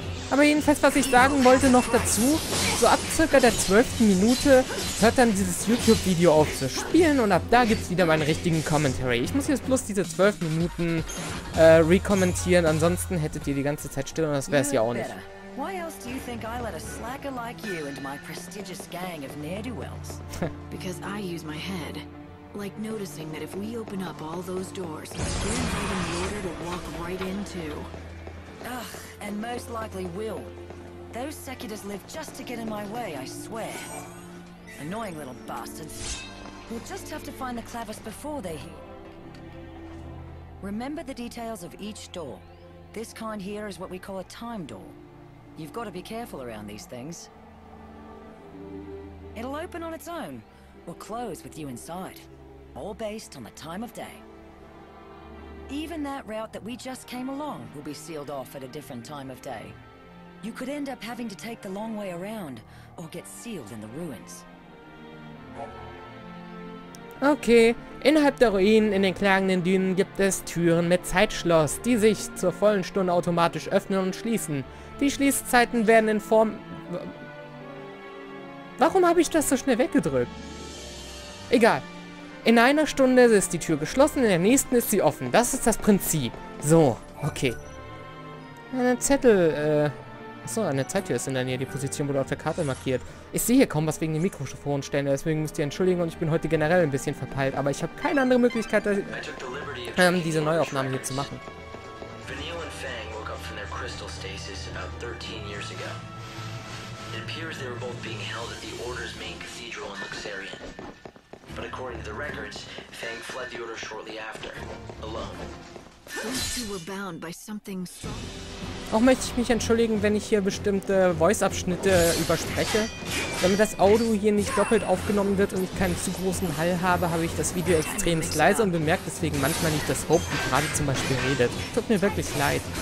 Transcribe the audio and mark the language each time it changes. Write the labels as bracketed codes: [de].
[de] Aber jedenfalls, was ich sagen wollte noch dazu, so ab circa der 12. Minute hört dann dieses YouTube-Video auf zu spielen und ab da gibt's wieder meinen richtigen Commentary. Ich muss jetzt bloß diese 12 Minuten re-kommentieren, ansonsten hättet ihr die ganze Zeit still und das wär's ja auch nicht. [en] Why else do you think I let a slacker like you into my prestigious gang of ne'er-do-wells? Because I use my head. Like noticing that if we open up all those doors, we're given the order to walk right into. Ugh, and most likely will. Those Securitas live just to get in my way, I swear. Annoying little bastards. We'll just have to find the Clavis before they hear. Remember the details of each door. This kind here is what we call a time door. You've got to be careful around these things. It'll open on its own, or close with you inside. All based on the time of day. Even that route that we just came along will be sealed off at a different time of day. You could end up having to take the long way around, or get sealed in the ruins. [de] Okay, innerhalb der Ruinen, in den klagenden Dünen, gibt es Türen mit Zeitschloss, die sich zur vollen Stunde automatisch öffnen und schließen. Die Schließzeiten werden in Form... Warum habe ich das so schnell weggedrückt? Egal. In einer Stunde ist die Tür geschlossen, in der nächsten ist sie offen. Das ist das Prinzip. So, okay. Eine Zettel, Achso, eine Zeittür ist in der Nähe. Die Position wurde auf der Karte markiert. Ich sehe hier kaum was wegen dem Mikrofonständer, deswegen müsst ihr entschuldigen und ich bin heute generell ein bisschen verpeilt, aber ich habe keine andere Möglichkeit, dass, diese Neuaufnahme hier zu machen. [en] Vanille und Fang woke up from their crystal stasis about 13 years ago. It appears they were both being held at the Order's main cathedral in Luxarian. But according to the records, Fang fled the Order shortly after, alone. Those two were bound by something so... [de] Auch möchte ich mich entschuldigen, wenn ich hier bestimmte Voice-Abschnitte überspreche. Damit das Audio hier nicht doppelt aufgenommen wird und ich keinen zu großen Hall habe, habe ich das Video extrem leise und bemerkt deswegen manchmal nicht, dass Hope gerade zum Beispiel redet. Tut mir wirklich leid.